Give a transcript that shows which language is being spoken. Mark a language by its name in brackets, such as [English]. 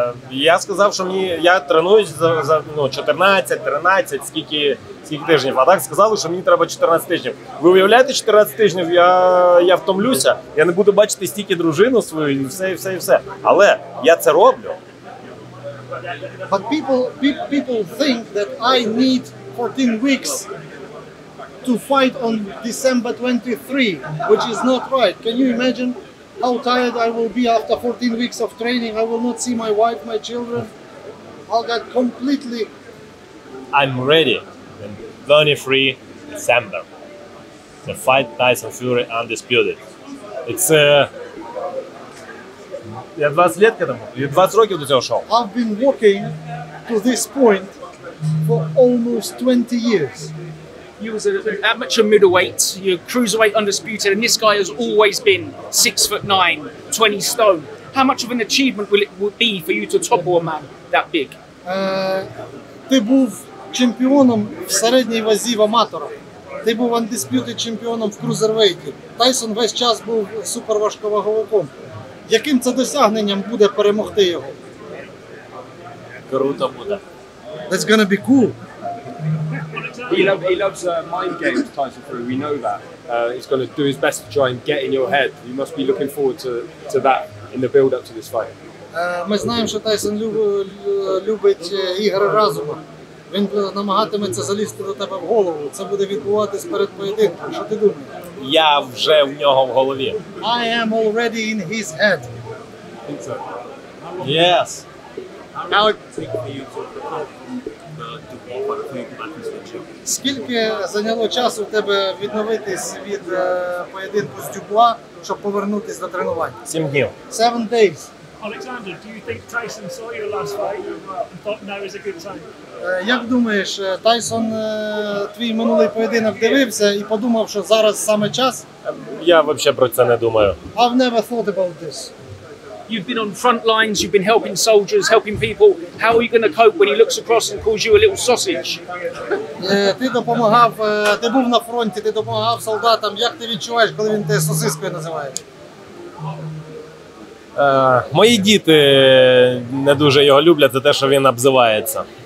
[Ukrainian] Я сказав, що мені я тренуюсь за 14-13, скільки тижнів. А так сказали, що мені треба 14 тижнів. Ви уявляєте, 14 тижнів я втомлюся, я не буду бачити стільки дружину свою, і все, і все, і все. Але я це роблю. [English] But people think that I need 14 weeks to fight on December 23, which is not right. Can you imagine how tired I will be after 14 weeks of training? I will not see my wife, my children. I'll get completely... I'm ready on 23 December to fight Tyson Fury Undisputed. It's... [Russian] Я 20 лет к этому. [Ukrainian] Я 20 років до цього шоу. [English] I've been walking to this point for almost 20 years. You was an amateur middleweight, you're cruiserweight undisputed, and this guy has always been 6'9", 20 stone. How much of an achievement will it be for you to topple a man that big? [Ukrainian] Ти був чемпіоном в середній вазі в аматорах. Ти був undisputed чемпіоном в крузервейті. Тайсон весь час був суперважковаговиком. Яким це досягненням буде перемогти його? Круто буде. [English] That's gonna be cool. He loves mind games, Tyson Fury, we know that. He's going to do his best to try and get in your head. You must be looking forward to that in the build-up to this fight. [Ukrainian] Ми знаємо, що Тайсон любить ігри разуму. Він намагатиметься залізти до тебе в голову. Це буде відбуватись перед поєдинком. Що ти думаєш? Я вже в нього в голові. [English] I am already in his head. Yes. How long does it take for you to prepare? [Ukrainian] Скільки зайняло часу тебе відновитись від поєдинку з Дюбуа, щоб повернутись до тренування? 7 днів. [English] 7 days. Oleksandr, do you think Tyson saw your last fight and thought now is a good time? [Ukrainian] Як думаєш, Тайсон твій минулий поєдинок дивився і подумав, що зараз саме час? Я взагалі про це не думаю. [English] I've never thought about this. You've been on front lines, you've been helping soldiers, helping people. How are you going to cope when he looks across and calls you a little sausage? [Ukrainian] Ти допомагав, ти був на фронті, ти допомагав солдатам. Як ти відчуваєш, коли він тебе сосискою називає? Мої діти не дуже його люблять за те, що він обзивається.